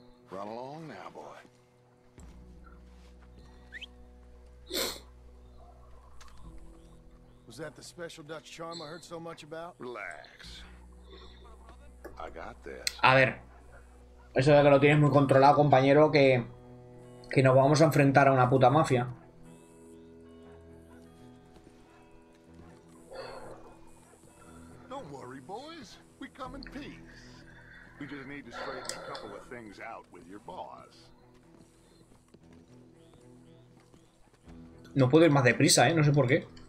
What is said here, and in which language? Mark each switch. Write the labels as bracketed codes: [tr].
[en] Run along now, boy. Was that the special Dutch charm I heard so much about? Relax. I got this. [es] A ver. Eso de que lo tienes muy controlado, compañero, que nos vamos a enfrentar a una puta mafia. [en] Don't worry, boys. We come in peace. We just need to straighten a couple of things out with your boss. [es] No puedo ir más deprisa, no sé por qué.